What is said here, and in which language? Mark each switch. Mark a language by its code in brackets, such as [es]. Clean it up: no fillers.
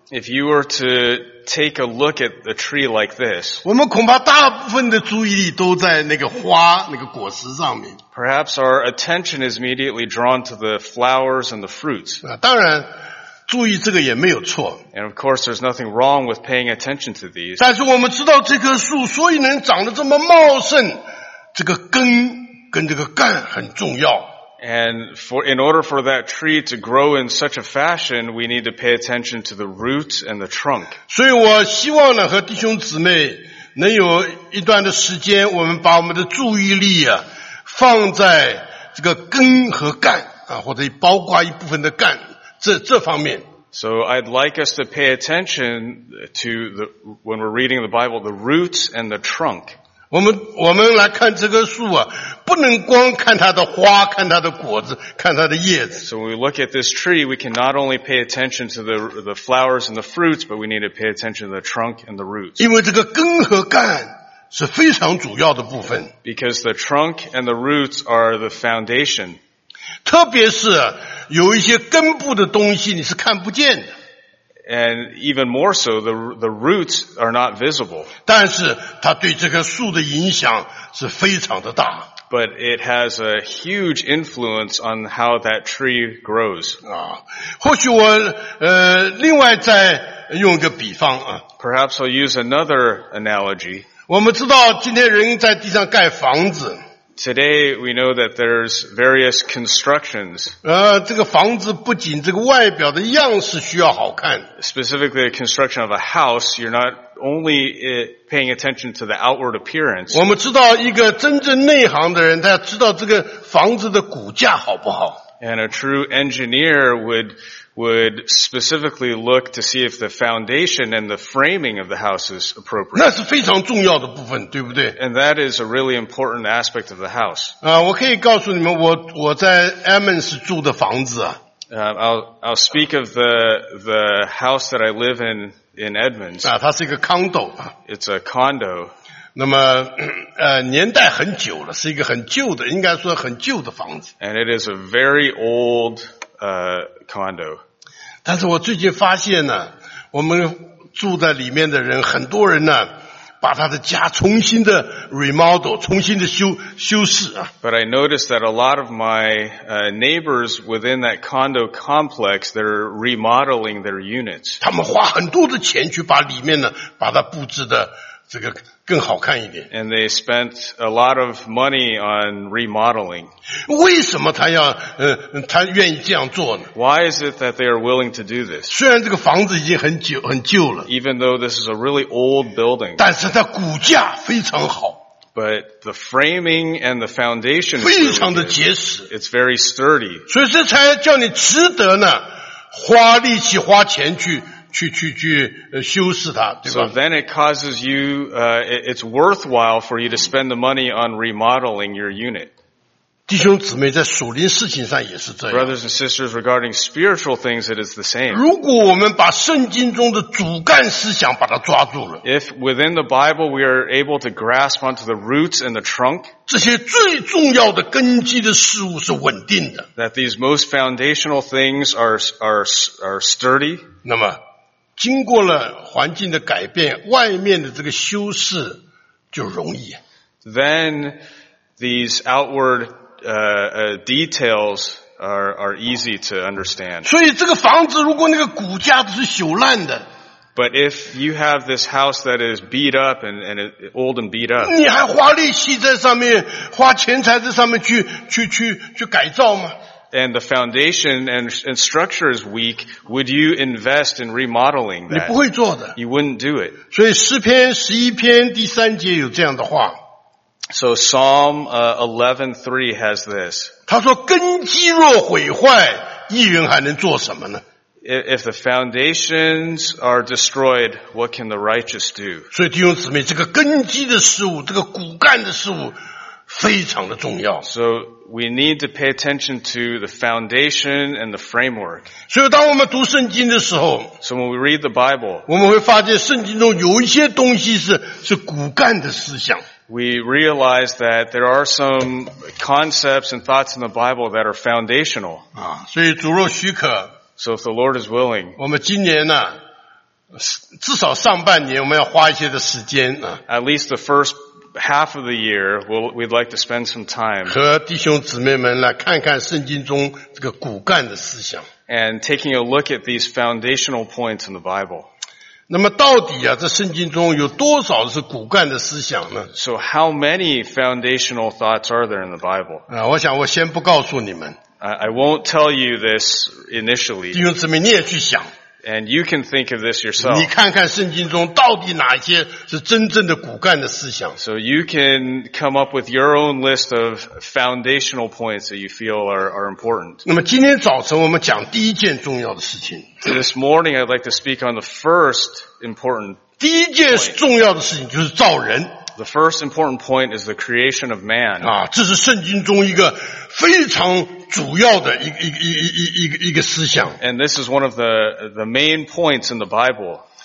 [en] If you were to take a look at a tree like this, [zh] 我们恐怕大部分的注意力都在那个花、那个果实上面。 [en] Perhaps our attention is immediately drawn to the flowers and the fruits. [zh] 当然，注意这个也没有错。 [en] And of course, there's nothing wrong with paying attention to these. [zh] 但是我们知道这棵树所以能长得这么茂盛，这个根跟这个干很重要。 [en] And in order for that tree to grow in such a fashion, we need to pay attention to the roots and the trunk. [zh] 所以我希望呢，和弟兄姊妹能有一段的时间，我们把我们的注意力啊，放在这个根和干啊，或者包括一部分的干这方面。 [en] So I'd like us to pay attention to the when we're reading the Bible, the roots and the trunk. [zh] 我们来看这棵树啊，不能光看它的花，看它的果子，看它的叶子。 [en] So we look at this tree, we can not only pay attention to the flowers and the fruits, but we need to pay attention to the trunk and the roots. [zh] 因为这个根和干是非常主要的部分。 [en] Because the trunk and the roots are the foundation. [zh] 特别是有一些根部的东西你是看不见的。 [en] And even more so, the roots are not visible. [zh] 但是它对这棵树的影响是非常的大。 [en] But it has a huge influence on how that tree grows. [zh] 或许我另外再用一个比方啊。 [en] Perhaps I'll use another analogy. [zh] 我们知道今天人在地上盖房子。 [en] Today we know that there's various constructions. [zh] 这个房子不仅这个外表的样式需要好看。 [en] Specifically the construction of a house, you're not only paying attention to the outward appearance. [zh] 我们知道一个真正内行的人他知道这个房子的骨架好不好。 [en] And a true engineer would specifically look to see if the foundation and the framing of the house is appropriate. [zh] 那是非常重要的部分，对不对？ [en] And that is a really important aspect of the house. [zh] 我可以告诉你们我在 Emmons 住的房子啊。 [en] I'll speak of the house that I live in Edmonds. [zh] 它是一个 condo. [en] It's a condo. [zh] 那么年代很久了，是一个很旧的，应该说很旧的房子。 [en] And it is a very old condo. [zh] 但是我最近发现呢，我们住在里面的人，很多人呢，把他的家重新的 remodel， 重新的修饰啊。 [en] But I noticed that a lot of my neighbors within that condo complex, they're remodeling their units. [zh] 他们花很多的钱去把里面呢，把它布置的这个更好看一点。 [en] And they spent a lot of money on remodeling. [zh] 为什么他愿意这样做呢？ [en] Why is it that they are willing to do this? [zh] 虽然这个房子已经很旧了。 [en] Even though this is a really old building. [zh] 但是它骨架非常好。 [en] But the framing and the foundation [zh] 非常的结实。 [en] It's very sturdy. [zh] 所以这才叫你值得呢，花力气花钱去修饰它，对吧？ [en] So then it causes you, it's worthwhile for you to spend the money on remodeling your unit. [zh] 弟兄姊妹在属灵事情上也是这样。 [en] Brothers and sisters, regarding spiritual things, it is the same. [zh] 如果我们把圣经中的主干思想把它抓住了。 [en] If within the Bible we are able to grasp onto the roots and the trunk, [zh] 这些最重要的根基的事物是稳定的。 [en] That these most foundational things are sturdy, [zh] 那么经过了环境的改变，外面的这个修饰就容易。 [en] Then these outward details are easy to understand. [zh] 所以这个房子如果那个骨架是朽烂的。 [en] But if you have this house that is beat up and old and beat up. [zh] 你还花力气在上面，花钱财在上面去改造吗？ [en] And the foundation and structure is weak, would you invest in remodeling that? [zh] 你不会做的。 [en] You wouldn't do it. [zh] 所以诗篇十一篇第三节有这样的话。 [en] So Psalm 11:3 has this. [zh] 他说根基若毁坏，一人还能做什么呢？ [en] If the foundations are destroyed, what can the righteous do? [zh] 所以弟兄姊妹，这个根基的事物，这个骨干的事物非常的重要。 [en] So we need to pay attention to the foundation and the framework. [zh] 所以当我们读圣经的时候， [en] So when we read the Bible, [zh] 我们会发现圣经中有一些东西是骨干的思想。 [en] We realize that there are some concepts and thoughts in the Bible that are foundational. [zh] 所以主若许可， [en] So if the Lord is willing, [zh] 我们今年呢，至少上半年我们要花一些的时间啊。 [en] At least the first half of the year, we'd like to spend some time [zh] 和弟兄姊妹们来看看圣经中这个骨干的思想。 [en] And taking a look at these foundational points in the Bible. [zh] 那么到底啊，这圣经中有多少是骨干的思想呢？ [en] So how many foundational thoughts are there in the Bible? [zh] 我想我先不告诉你们。 [en] I won't tell you this initially. [zh] 弟兄姊妹你也去想。 [en] And you can think of this yourself. [zh] 你看看圣经中到底哪些是真正的骨干的思想。 [en] So you can come up with your own list of foundational points that you feel are important. [zh] 那么今天早晨我们讲第一件重要的事情。 [en] This morning I'd like to speak on the first important point. [zh] 第一件重要的事情就是造人。 [en] The first important point is the creation of man. [zh] 这是圣经中一个非常主要的一个思想。 [en] And this is one of the main points in the Bible.